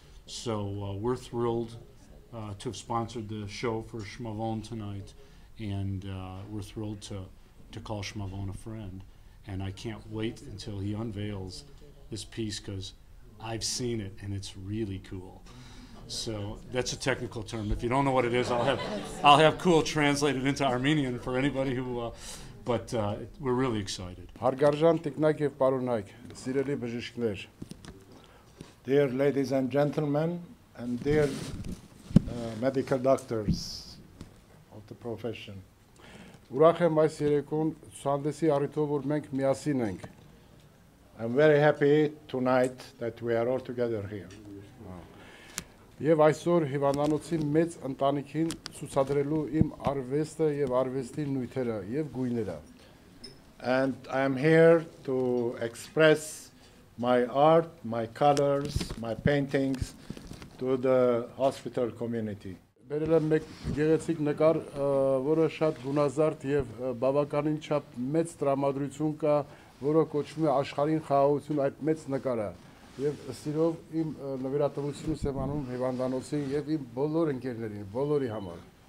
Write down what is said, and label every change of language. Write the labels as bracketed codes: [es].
[en] So we're thrilled to have sponsored the show for Shmavon tonight, and we're thrilled to call Shmavon a friend. And I can't wait until he unveils this piece, because I've seen it, and it's really cool. So that's a technical term. If you don't know what it is, I'll have cool translated into Armenian for anybody who. We're really excited. [hy] Հարգարժան տիկնակ եւ պարոնակ, սիրելի բժիշկներ. [en] Dear ladies and gentlemen, and dear medical doctors of the profession. [hy] Ուրախ եմ այս երեկոն ցուցահանդեսի առիթով, որ մենք միասին ենք. [en] I'm very happy tonight that we are all together here. [hy] Եվ այսօր հիվանդանոցի մեծ ընտանիքին ցուցադրելու իմ արվեստը եւ արվեստի նյութերը եւ գույները. [en] And I am here to express my art, my colors, my paintings to the hospital community. [hy] Բերել եմ մեկ գեղեցիկ նկար, որը շատ գունազարդ եւ բավականին չափ մեծ տրամադրություն կա, որը կոչվում է աշխարհին խաղաղություն այդ մեծ նկարը, եւ սիրով իմ նվիրատվությունը Սեվանում հիվանդանոցին եւ իմ բոլոր ընկերներին, բոլորի համար.